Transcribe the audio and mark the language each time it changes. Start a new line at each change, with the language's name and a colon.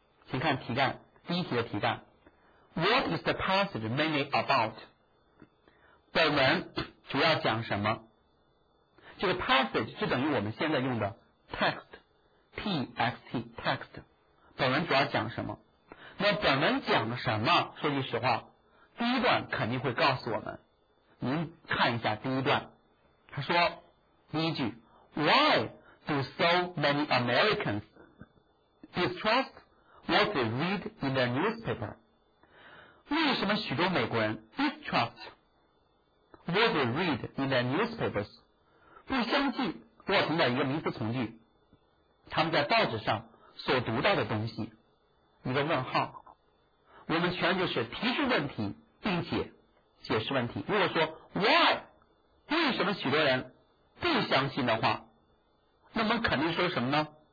Chinese: 请看题干，第一题的题干，
English: What is the passage mainly about?
Chinese: 本文主要讲什么？这个 passage 就等于我们现在用的 text， T-X-T， text， 本文主要讲什么？那本文讲了什么？说句实话，第一段肯定会告诉我们。您看一下第一段，他说，第一句，
English: Why do so many Americans distrust what they read in the newspaper?
Chinese: 为什么许多美国人
English: distrust what they read in the newspapers?
Chinese: 不相信我存在一个名词从句，他们在报纸上所读到的东西，一个问号。我们全就是提出问题并且解释问题。如果说 why 为什么许多人不相信的话，那么肯定说什么呢？